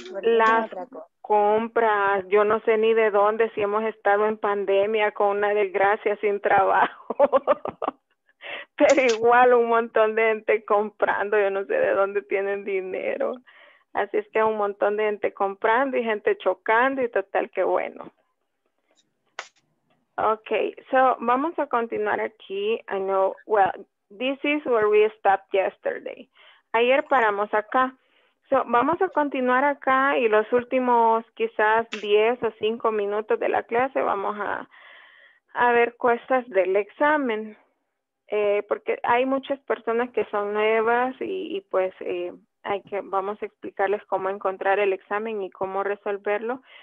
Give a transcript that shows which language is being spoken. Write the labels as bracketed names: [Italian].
[Spanish] Las compras, yo no sé ni de dónde, si hemos estado en pandemia con una desgracia sin trabajo. Pero igual un montón de gente comprando, yo no sé de dónde tienen dinero. Así es que un montón de gente comprando y gente chocando y total, qué bueno. Okay, so vamos a continuar aquí. [English] I know, well, this is where we stopped yesterday. [Spanish] Ayer paramos acá. So, vamos a continuar acá y los últimos quizás 10 o 5 minutos de la clase vamos a ver cosas del examen. Porque hay muchas personas que son nuevas y pues vamos a explicarles cómo encontrar el examen y cómo resolverlo.